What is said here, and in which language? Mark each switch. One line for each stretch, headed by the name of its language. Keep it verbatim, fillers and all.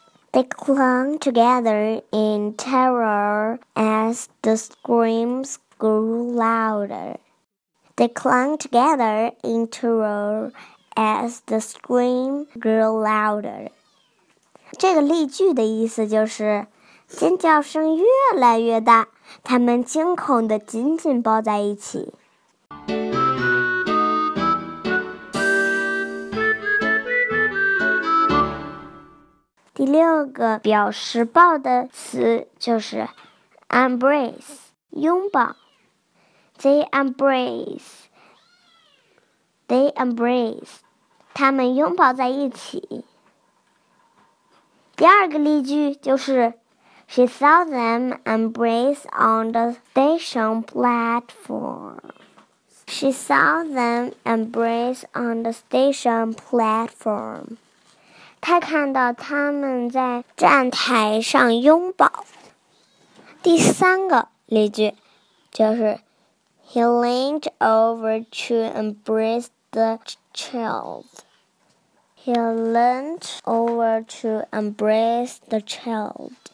English: They clung together in terror as the screams grew louder. They clung together in terror as the scream grew louder.
Chinese: 这个例句的意思就是尖叫声越来越大，他们惊恐地紧紧抱在一起。第六个表示抱的词就是 embrace， 拥抱。
English: They embrace. They embrace.
Chinese: 他们拥抱在一起。第二个例句就是
English: She saw them embrace on the station platform. She saw them embrace on the station platform.
Chinese: 他看到他们在站台上拥抱。第三个例句就是
English: He leaned over to embrace the child. He leaned over to embrace the child.